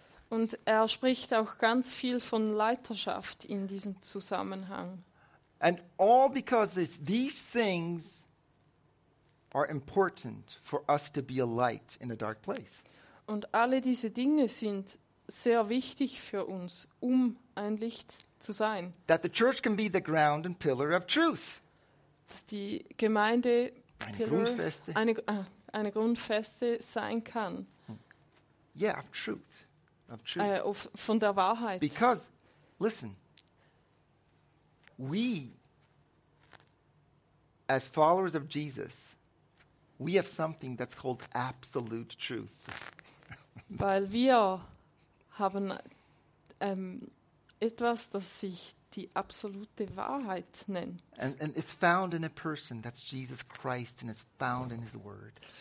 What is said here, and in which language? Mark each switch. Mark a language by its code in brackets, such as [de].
[de] Und er spricht auch ganz viel von Leiterschaft in diesem Zusammenhang. [en] And all because these things are important for us to be a light in a dark place. [de] Und alle diese Dinge sind sehr wichtig für uns, um ein Licht zu sein. [en] That the church can be the ground and pillar of truth. [de] Dass die Gemeinde eine Grundfeste sein kann. [en] Yeah, of truth. Of truth. [de] Von der Wahrheit. [en] Because, listen, we, as followers of Jesus, we have something that's called absolute truth. [de] Weil wir haben etwas, das sich die absolute Wahrheit nennt. [en] And it's found in a person, that's Jesus Christ, and it's found in his word.